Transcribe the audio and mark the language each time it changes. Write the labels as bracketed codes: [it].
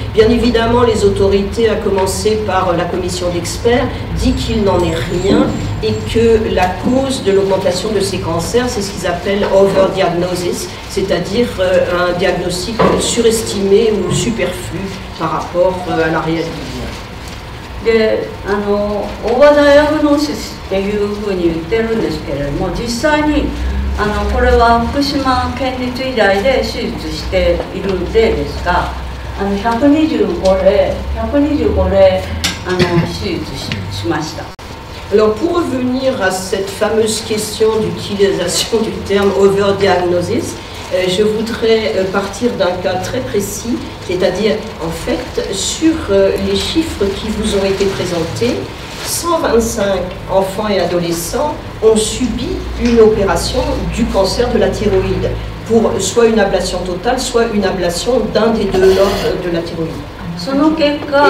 [fr] Bien évidemment, les autorités, à commencer par la commission d'experts, dit qu'il n'en est rien et que la cause de l'augmentation de ces cancers, c'est ce qu'ils appellent overdiagnosis, c'est-à-dire un diagnostic surestimé ou superflu par rapport à la réalité. [ja] で、オーバーダイアグノーシスっていうふうに言ってるんですけれども、実際にこれは福島県立医大で手術しているんでですが、125例手術 しました。 [fr] Alors, pour revenir à cette fameuse question d'utilisation du terme overdiagnosis, je voudrais partir d'un cas très précis, c'est-à-dire, en fait, sur les chiffres qui vous ont été présentés, 125 enfants et adolescents ont subi une opération du cancer de la thyroïde, pour soit une ablation totale, soit une ablation d'un des deux lobes de la thyroïde.